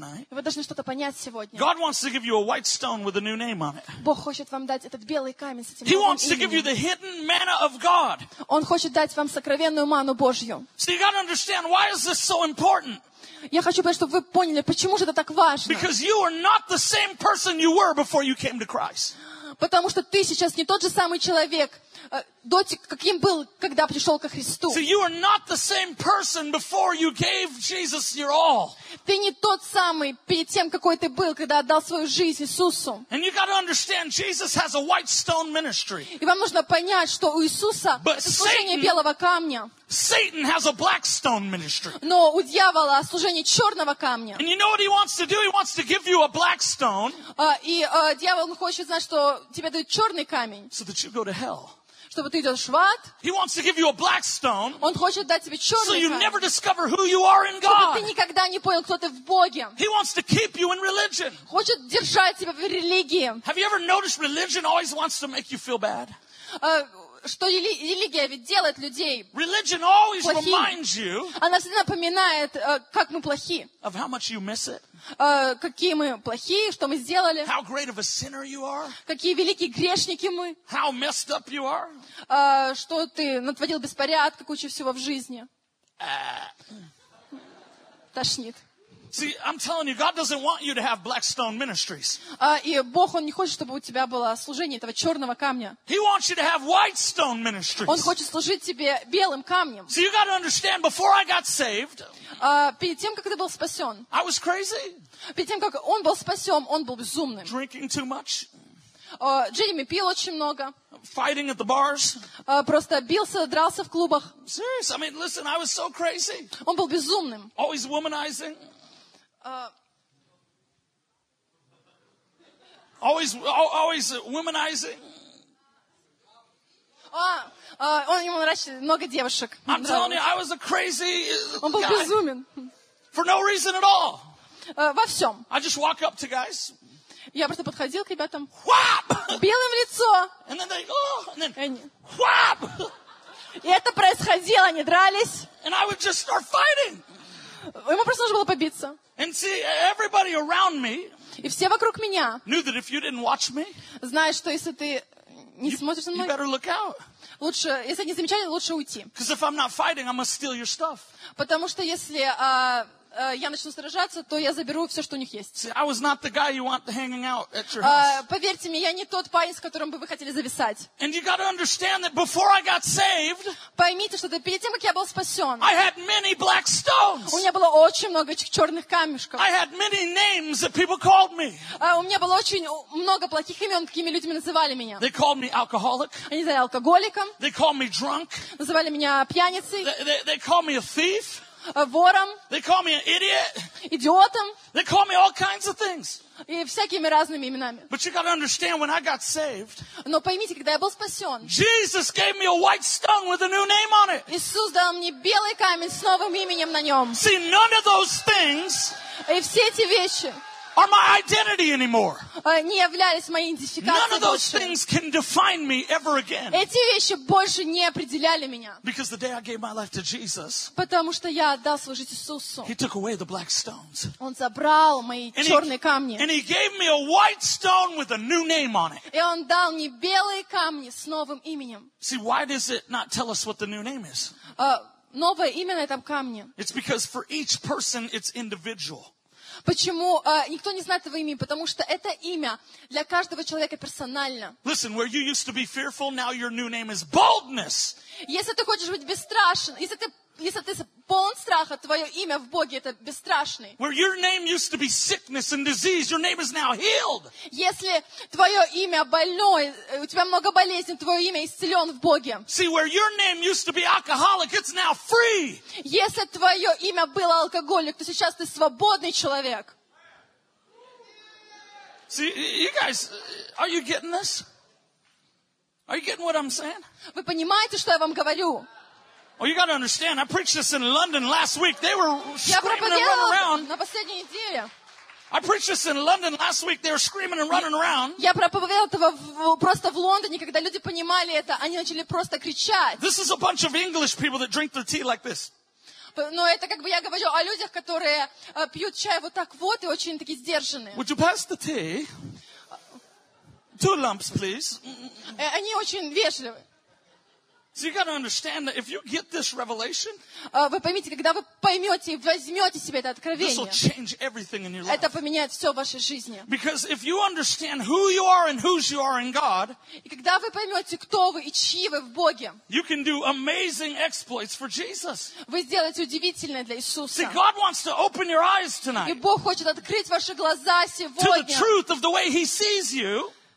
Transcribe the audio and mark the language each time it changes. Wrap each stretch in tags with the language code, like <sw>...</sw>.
<ru>Вы должны что-то понять сегодня. Бог хочет вам дать этот белый камень с этим</ru> <en>He</en> <ru>новым именем.</ru> <en>You the hidden manna of God.</en> <ru>Он хочет дать вам сокровенную манну Божью. Вы должны понять, почему это так важно. Я хочу, чтобы вы поняли, почему же это так важно.</ru> <en>Because you are not the same person you were before you came to Christ.</en> <ru>Потому что ты сейчас не тот же самый человек, каким был, когда пришел ко Христу.</ru> <en>So you are not the same person before you gave Jesus your all.</en> <ru>Ты не тот самый перед тем, какой ты был, когда отдал свою жизнь Иисусу.</ru> <en>And you got to understand, Jesus has a white stone ministry.</en> <ru>И вам нужно понять, что у Иисуса служение белого камня.</ru> <en>Satan has a black stone ministry.</en> <ru>Но у дьявола служение черного камня.</ru> <en>And you know what he wants to do? He wants to give you a black stone.</en> <ru>Дьявол хочет знать, что тебе дают черный камень.</ru> <en>So that you go to hell.</en> <ru>Чтобы ты идешь в ад.</ru> <en>He wants to give you a black stone.</en> <ru>Он хочет дать тебе черный камень.</ru> <en>So you never discover who you are in God.</en> <ru>Чтобы ты никогда не понял, кто ты в Боге.</ru> <en>He wants to keep you in religion.</en> <ru>Хочет держать тебя в религии.</ru> <en>Have you ever noticed religion always wants to make you feel bad?</en> <ru>Что религия ведь делает людей</ru> <en>religion always</en> <ru>плохими.</ru> <en>Reminds you</en> <ru>она всегда напоминает, как мы плохи.</ru> <en>Of how much you miss it.</en> <ru>Какие мы плохие, что мы сделали.</ru> <en>How great of a sinner you are.</en> <ru>Какие великие грешники мы.</ru> <en>How messed up you are.</en> <ru>Что ты натворил беспорядка, куча всего в жизни. Тошнит.</ru> <en>See, I'm telling you, God doesn't want you to have black stone ministries.</en> <ru>И Бог, Он не хочет, чтобы у тебя было служение этого черного камня.</ru> <en>He wants you to have white stone ministries.</en> <ru>Он хочет служить тебе белым камнем.</ru> <en>So you got to understand, before I got saved,</en> <ru>перед тем, как ты был спасен,</ru> <en>I was crazy.</en> <ru>Перед тем, как он был спасен, он был безумным.</ru> <en>Drinking too much.</en> <ru>Джереми пил очень много.</ru> <en>Fighting at the bars.</en> <ru>Просто бился, дрался в клубах.</ru> <en>Serious? I mean, listen, I was so crazy.</en> <ru>Он был безумным.</ru> <en>Always womanizing. Always womanizing.</en> <ru>Он ему нравится много девушек.</ru> <en>I'm telling you, I was a crazy</en> <ru>Он был безумен.</ru> <en>For no reason at all.</en> <ru>Во всем.</ru> <en>I just walk up to guys.</en> <ru>Я просто подходил к ребятам. Whap! Белым в лицо.</ru> <en>And then they, oh, and then, whap!</en> <ru>И это происходило, они дрались.</ru> <en>And I would just start fighting.</en> <ru>Ему просто нужно было побиться.</ru> <en>And see, everybody around me</en> <ru>и все вокруг меня</ru> <en>knew that if you didn't watch me,</en> <ru>знают, что если ты не смотришь на меня,</ru> <en>you better look out.</en> <ru>Лучше, если не замечали, лучше уйти.</ru> <en>Because if I'm not fighting, I'm gonna steal your stuff.</en> <ru>Потому что если я начну сражаться, то я заберу все, что у них есть.</ru> <en>See, I was not the guy you want hanging out at your house.</en> <ru>Поверьте мне, я не тот парень, с которым бы вы хотели зависать.</ru> <en>And you gotta understand that before I got saved,</en> <ru>поймите, что перед тем, как я был спасен,</ru> <en>I had many black stones.</en> <ru>У меня было очень много этих черных камешков.</ru> <en>I had many names that people called me.</en> <ru>У меня было очень много плохих имен, какими людьми называли меня.</ru> <en>They called me alcoholic.</en> <ru>Они называли алкоголиком.</ru> <en>They called me drunk.</en> <ru>Называли меня пьяницей.</ru> <en>They called me a thief.</en> <ru>Вором.</ru> <en>They call me an idiot.</en> <ru>Идиотом.</ru> <en>They call me all kinds of things.</en> <ru>И всякими разными именами.</ru> <en>But you got to understand, when I got saved,</en> <ru>но поймите, когда я был спасен,</ru> <en>Jesus gave me a white stone with a new name on it.</en> <ru>Иисус дал мне белый камень с новым именем на нем.</ru> <en>See, none of those things</en> <ru>и все эти вещи</ru> <en>are my identity anymore.</en> <ru>Не являлись моей идентификацией.</ru> <en>None of those things can define me ever again.</en> <ru>Эти вещи больше не определяли меня.</ru> <en>Because the day I gave my life to Jesus,</en> <ru>потому что я отдал свою жизнь Иисусу.</ru> <en>He took away the black stones.</en> <ru>Он забрал мои черные камни.</ru> <en>And he gave me a white stone with a new name on it.</en> <ru>И он дал мне белые камни с новым именем.</ru> <en>See, why does it not tell us what the new name is?</en> <ru>Новое имя на этом камне.</ru> <en>It's because for each person it's individual.</en> <ru>почему никто не знает твое имя, потому что это имя для каждого человека персонально.</ru> <en>Listen, where you used to be fearful, now your new name is boldness.</en> <ru>Если ты хочешь быть бесстрашен, если ты полон страха, твое имя в Боге это бесстрашный.</ru> <en>Where your name used to be sickness and disease, your name is now healed.</en> <ru>Если твое имя больной, у тебя много болезней, твое имя исцелен в Боге.</ru> <en>See, where your name used to be alcoholic, it's now free.</en> <ru>Если твое имя было алкоголик, то сейчас ты свободный человек.</ru> <en>See, you guys, are you getting this? Are you getting what I'm saying?</en> <ru>Вы понимаете, что я вам говорю?</ru> <en>Oh, you got to understand. I preached this in London last week. They were screaming and running around.</en> <ru>На последней неделе.</ru> <en>I preached this in London last week. They were screaming and running around.</en> <ru>Я проповедовал этого просто в Лондоне, когда люди понимали это, они начали просто кричать.</ru> <en>This is a bunch of English people that drink their tea like this.</en> <ru>Но это как бы я говорю о людях, которые пьют чай вот так вот и очень такие сдержанные.</ru> <en>Would you pass the tea? Two lumps, please.</en> <ru>Они очень вежливы.</ru> <en>So you got to understand that if you get this revelation,</en> <ru>вы поймите, когда вы поймете и возьмете себе это откровение,</ru> <en>this will change everything in your life.</en> <ru>Это поменяет все в вашей жизни.</ru> <en>Because if you understand who you are and whose you are in God,</en> <ru>и когда вы поймете, кто вы и чьи вы в Боге,</ru> <en>you can do amazing exploits for Jesus.</en> <ru>Вы сделаете удивительное для Иисуса.</ru> <en>See, God wants to open your eyes tonight.</en> <ru>И Бог хочет открыть ваши глаза сегодня.</ru> <en>To the truth of the way He sees you.</en>